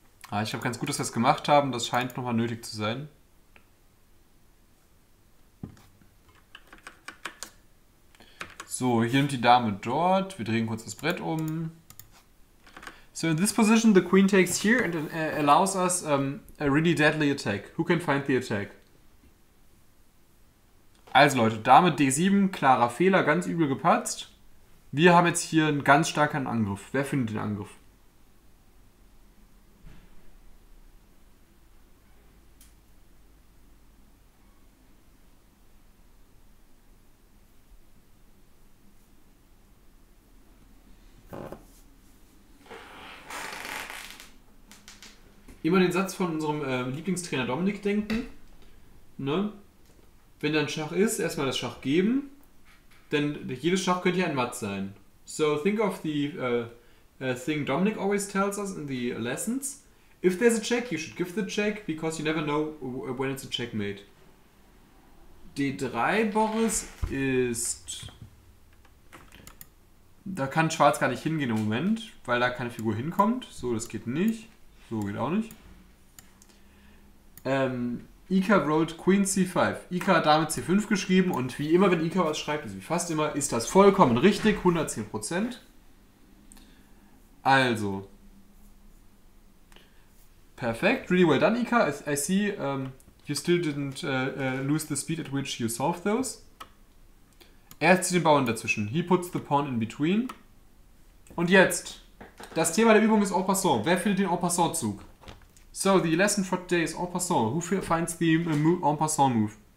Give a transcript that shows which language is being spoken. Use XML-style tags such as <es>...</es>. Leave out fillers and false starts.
<de>Ah, ich glaube, ganz gut, dass wir es gemacht haben. Das scheint nochmal nötig zu sein. So, hier nimmt die Dame dort. Wir drehen kurz das Brett um.</de> <en>So, in this position, the queen takes here and allows us a really deadly attack. Who can find the attack?</en> <de>Also Leute, Dame D7, klarer Fehler, ganz übel gepatzt. Wir haben jetzt hier einen ganz starken Angriff. Wer findet den Angriff? Immer den Satz von unserem Lieblingstrainer Dominik denken. Ne? Wenn dann Schach ist, erstmal das Schach geben, denn jedes Schach könnte ja ein Matt sein.</de> <en>So, think of the thing Dominic always tells us in the lessons. If there's a check, you should give the check, because you never know when it's a checkmate.</en> <de>D3 Boris ist. Da kann Schwarz gar nicht hingehen im Moment, weil da keine Figur hinkommt. So, das geht nicht. So geht auch nicht.</de> <en>Ika wrote Queen C5.</en> <de>Ika hat Dame C5 geschrieben und wie immer, wenn Ika was schreibt, also wie fast immer, ist das vollkommen richtig, 110%. Also.</de> <en>Perfekt, really well done, Ika. I see, you still didn't lose the speed at which you solved those.</en> <de>Er zieht den Bauern dazwischen.</de> <en>He puts the pawn in between.</en> <de>Und jetzt, das Thema der Übung ist en passant. Wer findet den en passant Zug?</de> <en>So, the lesson for today is en passant. Who finds the en passant move?</en>